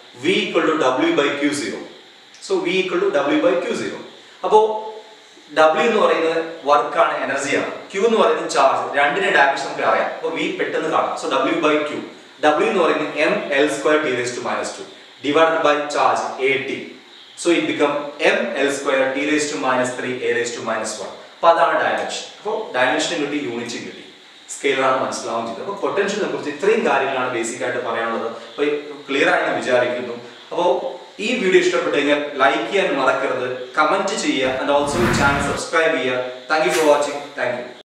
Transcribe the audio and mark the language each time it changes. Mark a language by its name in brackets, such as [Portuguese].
[Malayalam] V equal to W by Q zero. So we equal to W by Q zero. അപ്പോ W എന്ന് പറയുന്നത് വർക്കാണ്, എനർജിയാണ്. Q എന്ന് പറയുന്നത് ചാർജ്. രണ്ടിനെ ഡയറക്ഷൻ നമുക്ക് അറിയാം. അപ്പോൾ വി പെട്ടെന്ന് കാണാം. So W by Q. W എന്ന് പറയുന്നത് M L square T raise to minus two divided by charge A T. [English] So it become m l square t raised to minus 3 a raised to minus 1. [Malayalam] അപ്പോൾ അതാണ് dimension. അപ്പോൾ ഡയമെൻഷനും കിട്ടി, യൂണിറ്റും കിട്ടി, scale ആണ് മനസ്സിലാവും ചെയ്തത്. അപ്പോൾ പൊട്ടൻഷ്യലിനെ കുറിച്ച് ഇത്രയും കാര്യങ്ങളാണ് ബേസിക് ആയിട്ട് പറയാനുള്ളത്. അപ്പോൾ ക്ലിയർ ആയി എന്ന് വിചാരിക്കുന്നു. അപ്പോൾ ഈ വീഡിയോ ഇഷ്ടപ്പെട്ടു കഴിഞ്ഞാൽ ലൈക്ക് ചെയ്യാൻ മറക്കരുത്, കമൻറ്റ് ചെയ്യുക ആൻഡ് ഓൾസോ ചാനൽ സബ്സ്ക്രൈബ് ചെയ്യുക. [English] Thank you for watching. Thank you.